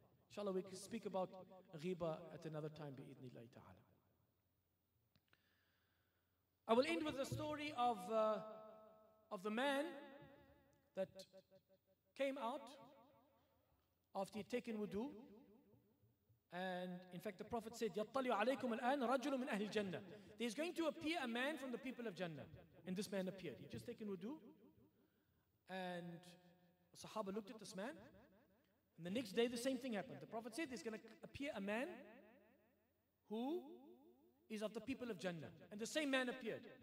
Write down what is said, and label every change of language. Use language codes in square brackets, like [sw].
[en] Inshallah, we can speak about ghibah at another time, [ar] bi-idhnillahi ta'ala. [en] I will end with the story of the man that came out after he'd taken wudu. And in fact, the Prophet said, [ar] يَطَّلِعُ عَلَيْكُمْ الْآنَ رَجُلٌ مِنْ أَهْلِ الْجَنَّةِ. [en] There's going to appear a man from the people of Jannah. And this man appeared. He'd just taken wudu. And the Sahaba looked at this man. And the next day, the same thing happened. The Prophet said, there's going to appear a man who is of the people of Jannah. And the same man appeared.